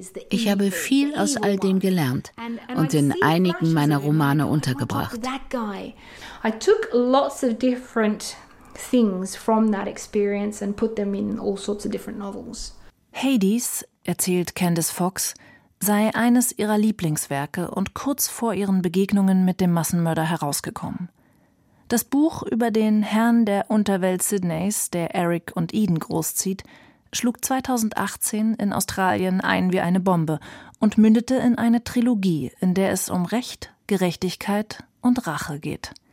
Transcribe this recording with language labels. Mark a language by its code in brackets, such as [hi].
[de] Ich habe viel aus all dem gelernt und in einigen meiner Romane untergebracht. [en] I took lots of different things from that experience and put them in all sorts of different novels. [de] Hades, erzählt Candice Fox, sei eines ihrer Lieblingswerke und kurz vor ihren Begegnungen mit dem Massenmörder herausgekommen. Das Buch über den Herrn der Unterwelt Sydneys, der Eric und Eden großzieht, schlug 2018 in Australien ein wie eine Bombe und mündete in eine Trilogie, in der es um Recht, Gerechtigkeit und Rache geht.